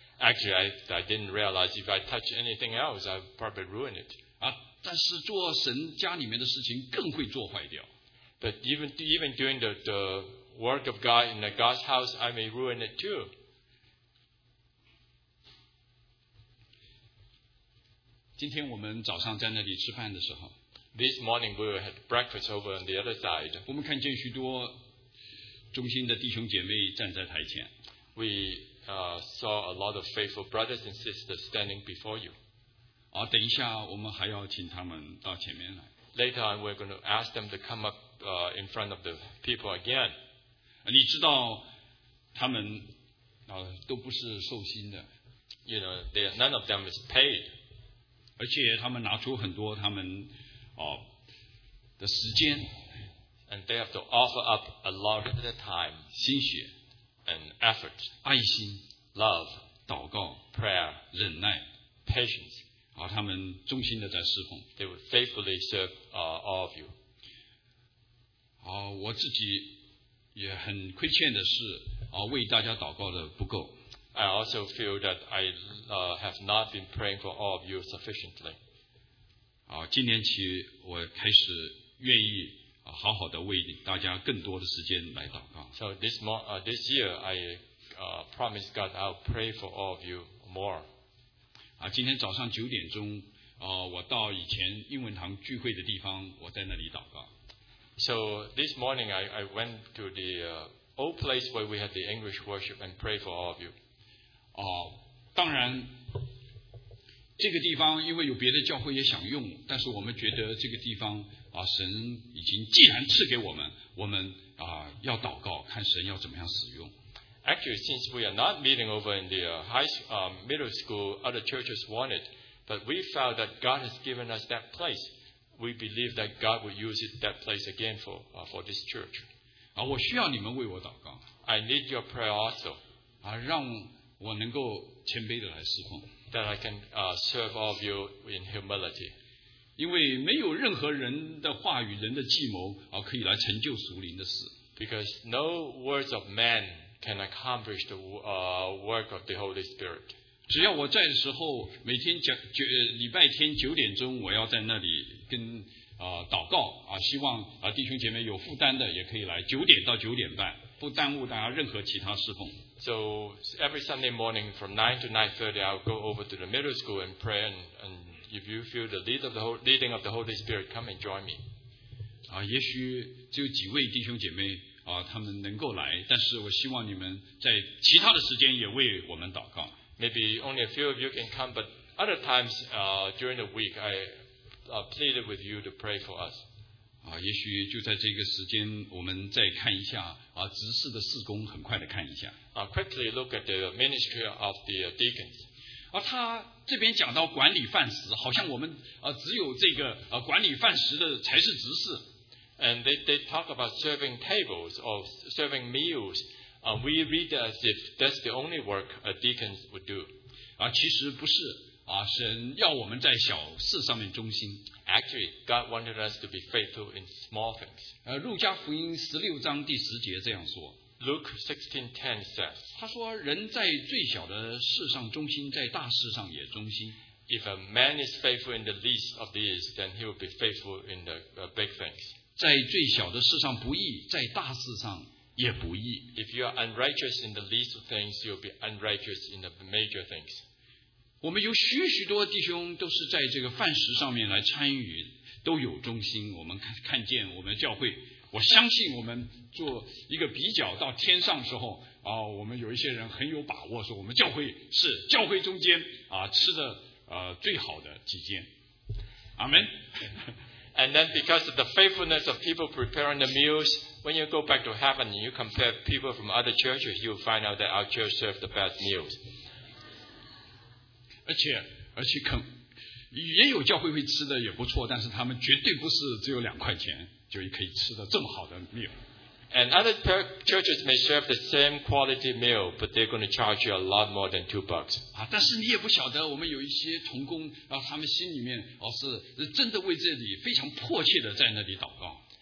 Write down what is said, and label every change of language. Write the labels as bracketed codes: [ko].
[en] Actually, I didn't realize if I touch anything else, I'd probably ruin it. [zh] 但是做神家里面的事情更会做坏掉。 [en] But even doing the work of God in the God's house, I may ruin it too. [zh] 今天我们早上在那里吃饭的时候， [en] This morning we had breakfast over on the other side. [zh] 我们看见许多忠心的弟兄姐妹站在台前。 [en] Saw a lot of faithful brothers and sisters standing before you. [zh] 等一下我们还要请他们到前面来。 [en] Later on, we're going to ask them to come up in front of the people again. [zh] 你知道他们都不是受薪的。 [en] You know, none of them is paid. [zh] 而且他们拿出很多他们的时间。 [en] And they have to offer up a lot of their time. [zh] 心血。 [en] And effort. [zh] 爱心。 [en] Love. [zh] 祷告。 [en] Prayer. [zh] 忍耐。 [en] Patience. [zh] 而他们忠心的在侍奉。 [en] They will faithfully serve all of you. [zh] 我自己也很亏欠的是为大家祷告的不够。 [en] I also feel that I have not been praying for all of you sufficiently. [zh] 今年起我开始愿意好好的为大家更多的时间来祷告。 [en] So this year I promise God I'll pray for all of you more. [zh] 今天早上九点钟我到以前英文堂聚会的地方，我在那里祷告。 [en] So this morning I went to the old place where we had the English worship and pray for all of you. [zh] 当然这个地方因为有别的教会也想用，但是我们觉得这个地方神已经既然赐给我们，我们要祷告看神要怎么样使用。 [en] Actually, since we are not meeting over in the middle school, other churches want it, but we felt that God has given us that place. We believe that God will use it, that place again for this church. [zh] 我需要你们为我祷告。 [en] I need your prayer also. [zh] 让我能够谦卑的来侍奉。 [en] That I can serve all of you in humility. [zh] 因为没有任何人的话语、人的计谋可以来成就属灵的事。 [en] Because no words of man can accomplish the work of the Holy Spirit. [zh] 只要我在的时候，每天礼拜天九点钟，我要在那里跟祷告希望弟兄姐妹有负担的也可以来，九点到九点半，不耽误大家任何其他侍奉。 [en] So every Sunday morning from 9 to 9:30, I'll go over to the middle school and pray. And if you feel the leading of the Holy Spirit, come and join me. [zh] 也许只有几位弟兄姐妹他们能够来，但是我希望你们在其他的时间也为我们祷告。 [en] Maybe only a few of you can come, but other times during the week, I pleaded with you to pray for us. [zh] 也许就在这个时间，我们再看一下执事的事工，很快的看一下。 [en] Quickly look at the ministry of the deacons. [zh] 他这边讲到管理饭食，好像我们只有这个管理饭食的才是执事。 [en] And they talk about serving tables or serving meals. We read as if that's the only work a deacon would do. [zh] 其实不是神要我们在小事上面忠心。 [en] Actually, God wanted us to be faithful in small things. [zh] 路加福音十六章第十节这样说。 [en] Luke 16:10 says, [zh] 他说人在最小的事上忠心，在大事上也忠心。 [en] If a man is faithful in the least of these, then he will be faithful in the big things. [zh] 在最小的事上不义，在大事上也不义。 [en] If you are unrighteous in the least of things, you will be unrighteous in the major things. [zh] 我们有许许多弟兄都是在这个饭食上面来参与，都有忠心。我们看见我们教会，我相信我们做一个比较到天上的时候我们有一些人很有把握说我们教会是教会中间吃的最好的几间。阿们。 [en] And then because of the faithfulness of people preparing the meals, when you go back to heaven and you compare people from other churches, you'll find out that our church serves the best meals. [zh] 而且肯也有教会会吃的也不错，但是他们绝对不是只有两块钱就可以吃的这么好的 meal。 [en] And other churches may serve the same quality meal, but they're going to charge you a lot more than $2. [zh] 但是你也不晓得我们有一些同工他们心里面是真的为这里非常迫切的在那里祷告。